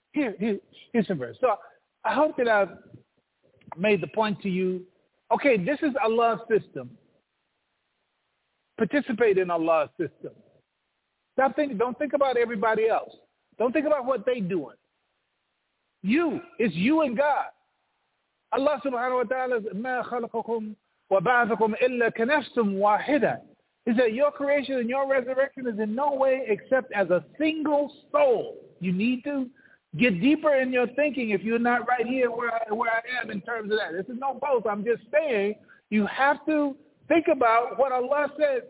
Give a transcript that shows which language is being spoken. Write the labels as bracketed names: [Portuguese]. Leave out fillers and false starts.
[English] Here's the verse. So I hope that I've made the point to you. Okay, this is Allah's system. Participate in Allah's system. Stop thinking. Don't think about everybody else. Don't think about what they're doing. You. It's you and God. Allah subhanahu wa ta'ala says, [Arabic] مَا خَلَقَكُمْ وَبَعْثَكُمْ إِلَّا كَنَفْسٌ وَاحِدًا. [English] He said, your creation and your resurrection is in no way except as a single soul. You need to get deeper in your thinking if you're not right here where I am in terms of that. This is no boast. I'm just saying you have to think about what Allah says.